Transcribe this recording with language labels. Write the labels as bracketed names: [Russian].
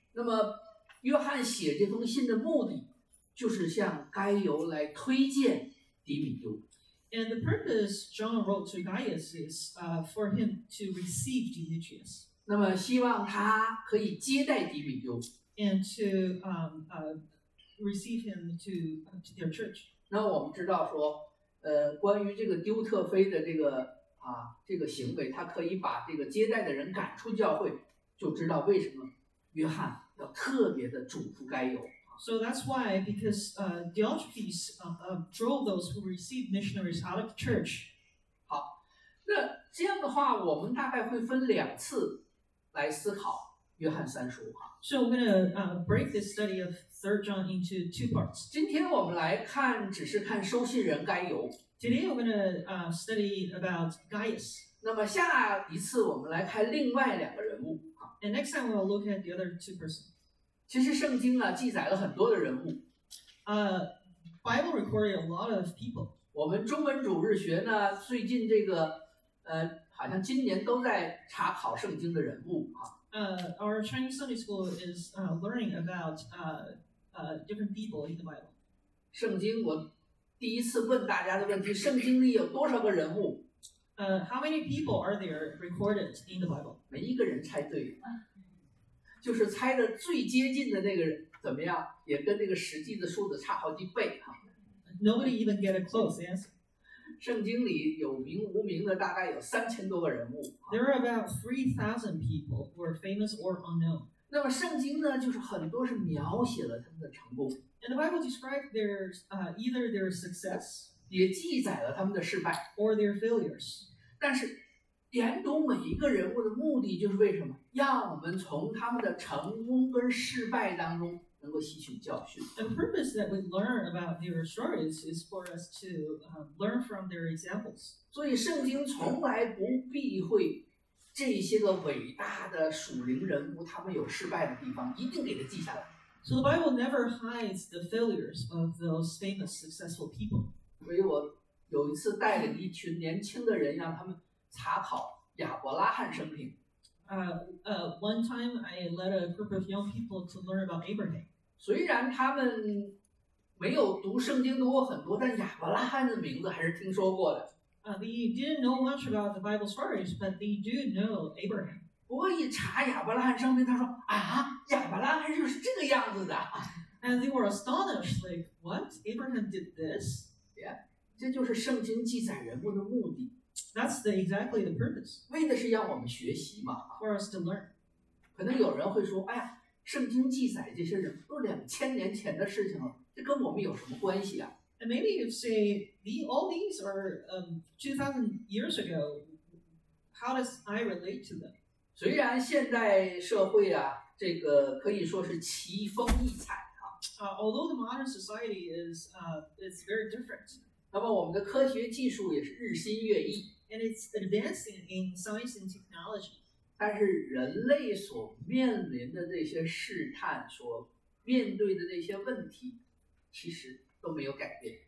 [Chinese] 那么约翰写这封信的目的，就是向该犹来推荐迪米丢。 [English] And the purpose John wrote to Gaius is for him to receive Demetrius. [Chinese] 那么希望他可以接待迪米丢。 [English] And to receive him to their church. [Chinese] 那我们知道说，关于这个丢特菲的这个行为，他可以把这个接待的人赶出教会，就知道为什么约翰要特别的嘱咐该犹。 [English] So that's why, because Diotrephes drove those who received missionaries out of the church. [Chinese] 好，那这样的话，我们大概会分两次来思考约翰三书哈。 [English] So we're gonna break this study of Third John into two parts. [Chinese] 今天我们来看，只是看收信人该犹。 [English] Today we're gonna study about Gaius. [Chinese] 那么下一次我们来看另外两个人物。 [English] And next time we'll look at the other two persons. [Chinese] 其实圣经啊记载了很多的人物。 [English] Bible recorded a lot of people. [Chinese] 我们中文主日学呢最近这个好像今年都在查考圣经的人物啊。 [English] Our Chinese Sunday School is learning about different people in the Bible. [Chinese] 圣经我第一次问大家的问题，圣经里有多少个人物？ [English] How many people are there recorded in the Bible? [Chinese] 每一个人猜对。就是猜的最接近的那个人怎么样，也跟那个实际的数字差好几倍哈。 [English] Nobody even get a close answer. [Chinese] 圣经里有名无名的大概有3000多个人物。 [English] There are about 3,000 people who are famous or unknown. [Chinese] 那么圣经呢，就是很多是描写了他们的成功。 [English] And the Bible describes either their success, [Chinese] 也记载了他们的失败 [English] or their failures. [Chinese] 但是研读每一个人物的目的就是为什么？让我们从他们的成功跟失败当中能够吸取教训。 [English] The purpose that we learn about their stories is for us to learn from their examples. [Chinese] 所以圣经从来不避讳这些个伟大的属灵人物，他们有失败的地方，一定给他记下来。 [English] So the Bible never hides the failures of those famous successful people. [Chinese] 所以我有一次带领一群年轻的人，让他们查考亚伯拉罕生平。 [English] One time I led a group of young people to learn about Abraham. [Chinese] 虽然他们没有读圣经读过很多，但亚伯拉罕的名字还是听说过的。 [English] They didn't know much about the Bible stories, but they do know Abraham. [Chinese] 不过一查亚伯拉罕生平，他说啊，亚伯拉罕就是这个样子的。 [English] And they were astonished, like, what? Abraham did this? [Chinese] Yeah, 这就是圣经记载人物的目的。 [English] That's the, exactly the purpose. [Chinese] 为的是让我们学习嘛。 [English] For us to learn. [Chinese] 可能有人会说，哎呀，圣经记载这些人都2000年前的事情了，这跟我们有什么关系啊？ [English] And maybe you'd say, all these are 2000 years ago. How does I relate to them? [Chinese] 虽然现代社会啊，这个可以说是奇风异彩啊。 [English] Although the modern society is it's very different. [Chinese] 那么我们的科学技术也是日新月异 [English] ，and it's advancing in science and technology. [Chinese] 但是人类所面临的那些试探，所面对的那些问题，其实都没有改变。